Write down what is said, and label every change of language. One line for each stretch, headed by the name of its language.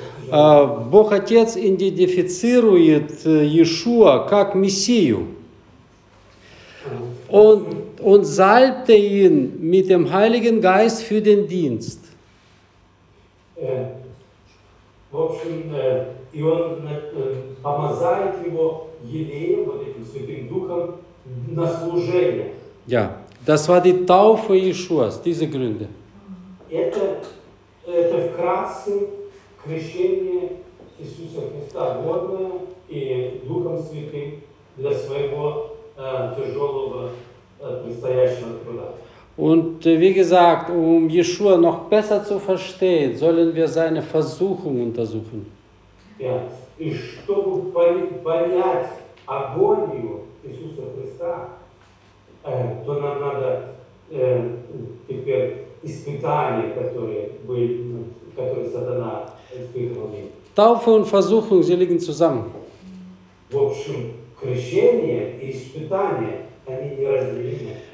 Russian: Бог Отец идентифицирует Иешуа как Мессию. Он
German: salbte ihn mit dem Heiligen Geist für den Dienst.
Russian: В общем, и он помазает его елеем, вот этим Святым Духом, на служение.
German: Ja, das war die Taufe Jeshuas, diese Gründe.
Russian: Это вкратце крещение Иисуса Христа водное и Духом Святым для своего тяжелого предстоящего труда.
German: Und wie gesagt, um Jeshua noch besser zu verstehen, sollen wir seine Versuchung untersuchen. Ja, und um
Russian: понять огонь его, Иисуса Христа, то нам надо теперь испытания, которые Сатана испытывал.
German: Taufe und Versuchung, sie liegen zusammen.
Russian: В общем, крещение и испытания, они не разделены.